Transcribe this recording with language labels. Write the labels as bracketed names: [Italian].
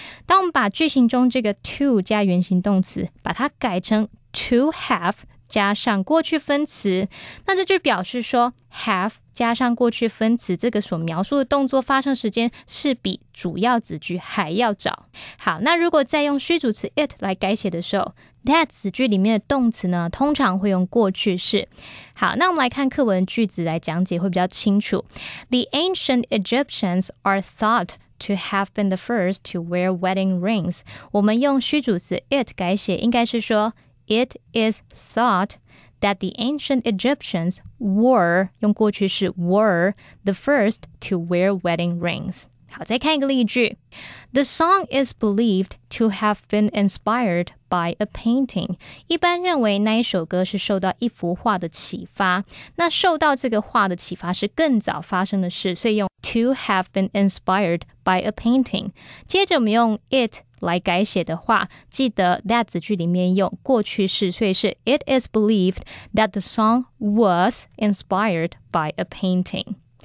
[Chinese] 当我们把句型中这个 to 加原形动词，把它改成 to have 加上过去分词，那这就表示说 have加上过去分词，这个所描述的动作发生时间是比主要子句还要早。好，那如果再用虚主词 it 来改写的时候 ，that 子句里面的动词呢，通常会用过去式。好，那我们来看课文句子来讲解会比较清楚。 [English] The ancient Egyptians are thought to have been the first to wear wedding rings。 [Chinese] 我们用虚主词 it 改写，应该是说 [English] It is thought that the ancient Egyptians were, [Chinese] 用过去式 [English] were, the first to wear wedding rings. [Chinese] 好，再看一个例句。 [English] The song is believed to have been inspired by a painting. [Chinese] 一般认为那一首歌是受到一幅画的启发。那受到这个画的启发是更早发生的事，所以用 [English] to have been inspired by a painting. [Chinese] 接着我们用 it来改写的话，记得 that 子句里面用过去式，所以是 [English] It is believed that the song was inspired by a painting.